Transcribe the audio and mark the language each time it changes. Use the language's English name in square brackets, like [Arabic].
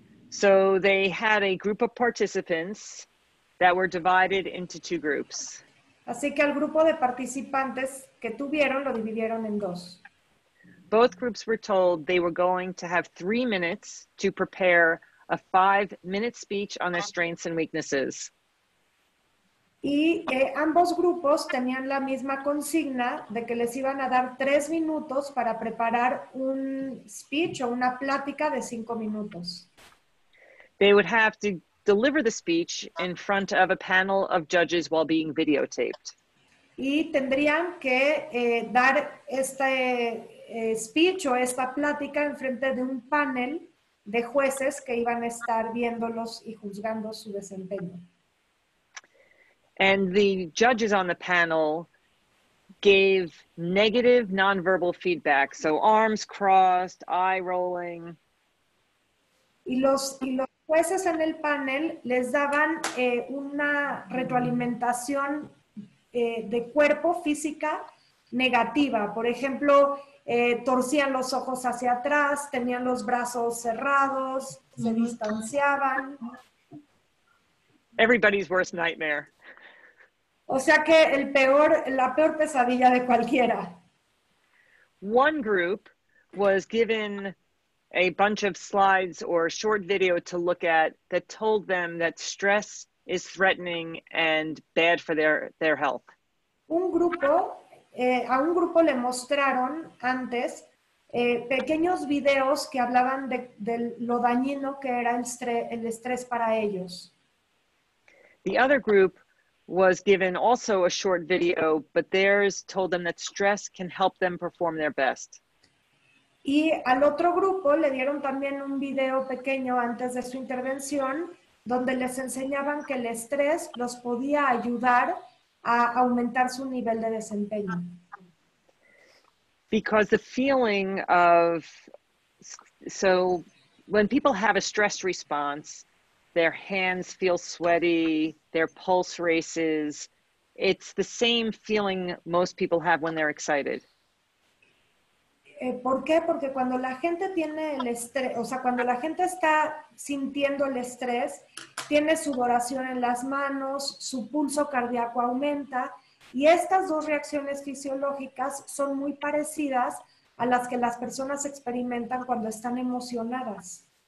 [English] So they had a group of participants that were divided into two groups. [Spanish] Así que al grupo de participantes que tuvieron lo dividieron en dos. [English] Both groups were told they were going to have 3 minutes to prepare a 5-minute speech on their strengths and weaknesses. [Spanish] Y ambos grupos tenían la misma consigna de que les iban a dar 3 minutos para preparar un speech o una plática de 5 minutos. [English] They would have to deliver the speech in front of a panel of judges while being videotaped. [Spanish] Y tendrían que dar este speech o esta plática en frente de un panel de jueces que iban a estar viéndolos y juzgando su desempeño. [English] And the judges on the panel gave negative nonverbal feedback, so arms crossed, eye rolling. [Spanish] Y los jueces en el panel les daban una retroalimentación de cuerpo física negativa. Por ejemplo, torcían los ojos hacia atrás, tenían los brazos cerrados, se distanciaban. [English] Everybody's worst nightmare. [Spanish] O sea que la peor pesadilla de cualquiera. [English] One group was given a bunch of slides or a short video to look at that told them that stress is threatening and bad for their health. [Spanish] A un grupo le mostraron antes pequeños videos que hablaban de lo dañino que era el estrés para ellos. [English] The other group was given also a short video, but theirs told them that stress can help them perform their best. [Spanish] Y al otro grupo le dieron también un video pequeño antes de su intervención donde les enseñaban que el estrés los podía ayudar a aumentar su nivel de desempeño. [English] Because the feeling of, so when people have a stress response, their hands feel sweaty, their pulse races, it's the same feeling most people have when they're excited. [Spanish] ¿Por qué? Porque cuando la gente tiene el estrés, o sea, cuando la gente está sintiendo el estrés, tiene sudoración en las manos, su pulso cardíaco aumenta, y estas dos reacciones fisiológicas son muy parecidas a las que las personas experimentan cuando están emocionadas.